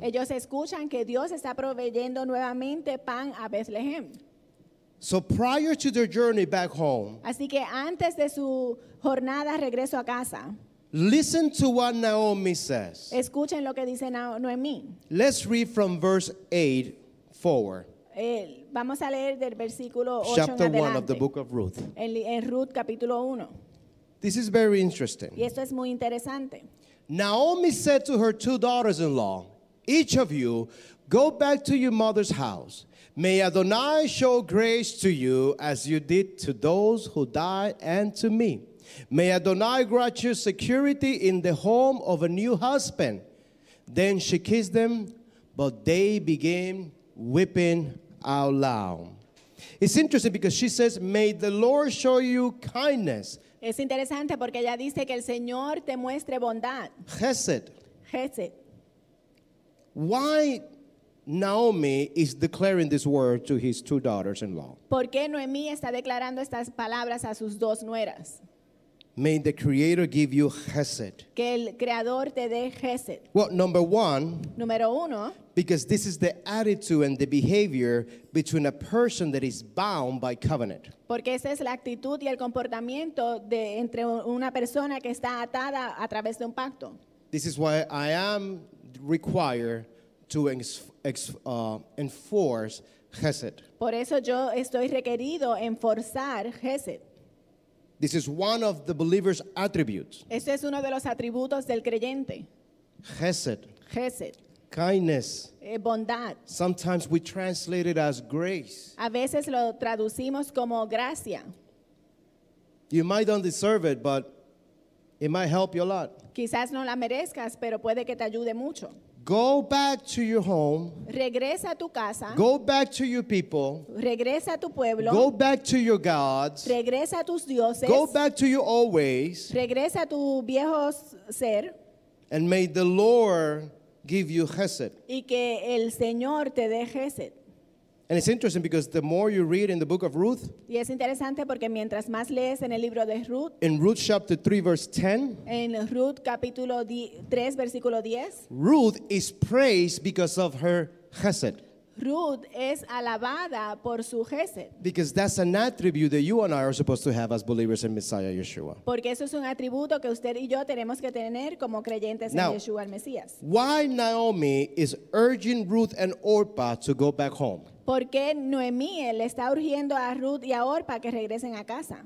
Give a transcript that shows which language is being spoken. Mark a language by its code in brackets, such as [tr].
[es] Ellos escuchan que Dios está proveyendo nuevamente pan a Bethlehem. [en] So prior to their journey back home, [es] así que antes de su jornada regreso a casa, [en] listen to what Naomi says. [es] Escuchen lo que dice Noemi. [en] Let's read from verse 8 forward. [es] Vamos a leer del versículo 8 en adelante. [en] Chapter 1 of the book of Ruth. [es] En Ruth capítulo 1. [en] This is very interesting. [es] Y esto es muy interesante. [en] Naomi said to her two daughters-in-law, "Each of you, go back to your mother's house. May Adonai show grace to you as you did to those who died and to me. May Adonai grant you security in the home of a new husband." Then she kissed them, but they began weeping out loud. It's interesting because she says, "May the Lord show you kindness." [es] Es interesante porque ella dice que el Señor te muestre bondad. Chesed. Chesed. [en] Why Naomi is declaring this word to his two daughters-in-law? [es] ¿Por qué Noemi está declarando estas palabras a sus dos nueras? [en] May the Creator give you chesed. [es] Que el Creador te dé chesed. [en] Well, number one. [es] Número uno. [en] Because this is the attitude and the behavior between a person that is bound by covenant. [es] Porque esa es la actitud y el comportamiento de entre una persona que está atada a través de un pacto. [en] This is why I am required to enforce chesed. [es] Por eso yo estoy requerido en forzar chesed. [en] This is one of the believer's attributes. [es] Este es uno de los atributos del creyente. Chesed. Chesed. [en] Kindness. [es] Bondad. [en] Sometimes we translate it as grace. [es] A veces lo traducimos como gracia. [en] You might not deserve it, but it might help you a lot. [es] Quizás no la merezcas, pero puede que te ayude mucho. [en] Go back to your home. [es] Regresa a tu casa. [en] Go back to your people. [es] Regresa a tu pueblo. [en] Go back to your gods. [es] Regresa a tus dioses. [en] Go back to your old ways. [es] Regresa a tu viejo ser. [en] And may the Lord give you chesed. [es] Y que el Señor te dé chesed. [en] And it's interesting because the more you read in the book of Ruth, [es] y es interesante porque mientras más lees en el libro de Ruth, [en] in Ruth chapter 3 verse 10, [es] en Ruth capítulo 3 versículo 10, [en] Ruth is praised because of her chesed. [es] Ruth es alabada por su chesed. [en] Because that's an attribute that you and I are supposed to have as believers in Messiah Yeshua. [es] Porque eso es un atributo que usted y yo tenemos que tener como creyentes [en] now, [es] en Yeshua el Mesías. [en] Why Naomi is urging Ruth and Orpah to go back home? [es] ¿Por qué Noemí le está urgiendo a Ruth y a Orpah que regresen a casa?